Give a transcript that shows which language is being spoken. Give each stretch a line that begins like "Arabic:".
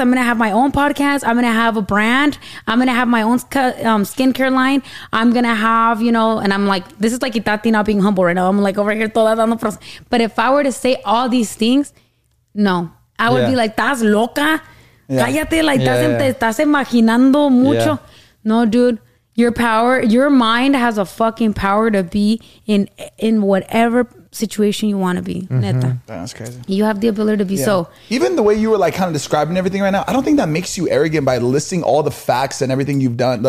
English: I'm going to have my own podcast. I'm going to have a brand. I'm going to have my own skincare line. I'm going to have, you know, and I'm like, this is like Itati not being humble right now. I'm like over here.
Spanish: Toda dando pros.
English: But if I were to say all these things, no, I would be like,
Spanish: estás loca. Yeah. Cállate. Like, estás imaginando mucho.
English: Yeah. No, dude. Your power, your mind has a fucking power to be in whatever situation you want to be. Mm-hmm. Neta. That's crazy. You have the ability to be. Yeah. So even the way you were like kind of describing everything right now, I don't think that makes you arrogant by listing all the facts and everything you've done. The